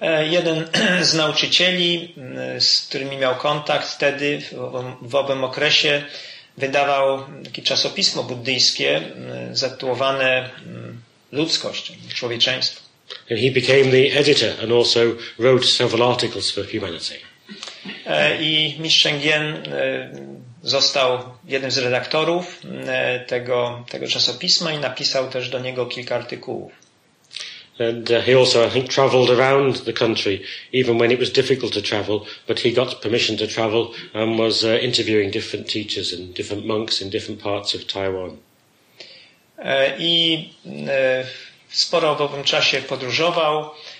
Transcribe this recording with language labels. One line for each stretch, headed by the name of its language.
Polish: Jeden z nauczycieli, z którymi miał kontakt wtedy w owym okresie, wydawał takie czasopismo buddyjskie zatytułowane Ludzkość, Człowieczeństwo.
English: And he became the editor and also wrote several articles for Humanity.
Polish: I Mistrz Chöngjien został jednym z redaktorów tego czasopisma i napisał też do niego kilka artykułów.
English: And he also, I think, traveled around the country, even when it was difficult to travel, but he got permission to travel and was interviewing different teachers and different monks in different parts of Taiwan.
Polish: I sporo w owym czasie podróżował.